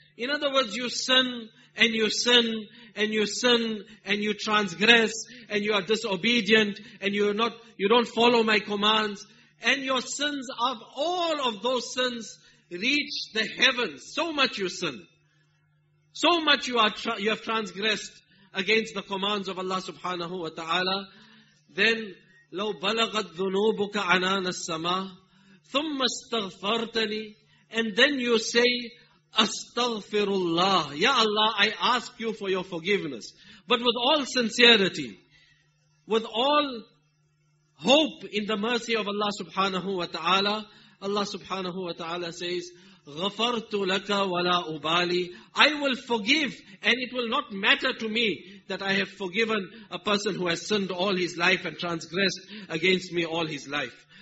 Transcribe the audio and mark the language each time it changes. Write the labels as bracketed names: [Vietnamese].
[English] In other words, you sin and you sin and you sin and you transgress and you are disobedient and you don't follow my commands, and your sins, of all of those sins, reach the heavens. So much you sin. So much you have transgressed against the commands of Allah subhanahu wa ta'ala. [Arabic] Then, لو بلغت ذنوبك عنان السماء ثم استغفرتني, [English] and then you say, [Arabic] أستغفر الله. [English] Ya Allah, I ask you for your forgiveness. But with all sincerity, with all hope in the mercy of Allah subhanahu wa ta'ala, Allah subhanahu wa ta'ala says, [Arabic] غَفَرْتُ لَكَ وَلَا أُبَالِي, [English] I will forgive, and it will not matter to me that I have forgiven a person who has sinned all his life and transgressed against me all his life.